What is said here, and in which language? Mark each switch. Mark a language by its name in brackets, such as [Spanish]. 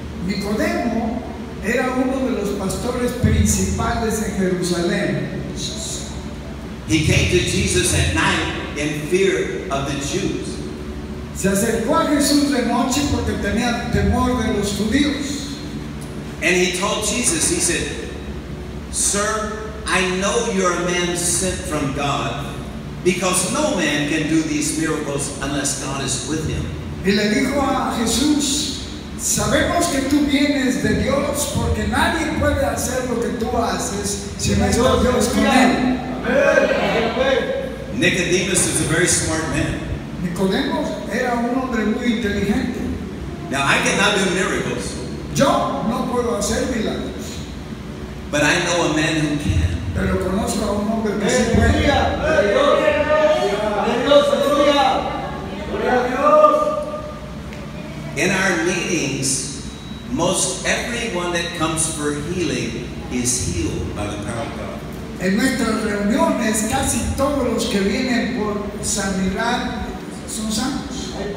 [Spanish] Nicodemo era uno de los pastores principales en Jerusalén. [English] He came to Jesus at night in fear of the Jews. [Spanish] Se acercó a Jesús de noche porque tenía temor de los judíos. [English] And he told Jesus, he said, "Sir, I know you're a man sent from God, because no man can do these miracles unless God is with him." [Spanish] Y le dijo a Jesús, "Sabemos que tú vienes de Dios, porque nadie puede hacer lo que tú haces si no está Dios con él." [English] Nicodemus is a very smart man. [Spanish] Nicodemo era un hombre muy inteligente. [English] Now, I cannot do miracles. [Spanish] Yo no puedo hacer milagros. [English] But I know a man who can. [Spanish] Pero conozco a un hombre que sí puede. Dios, aleluya. Gloria a Dios. [English] In our meetings, most everyone that comes for healing is healed by the power of God. [Spanish] En nuestras reuniones, casi todos los que vienen por sanidad son santos.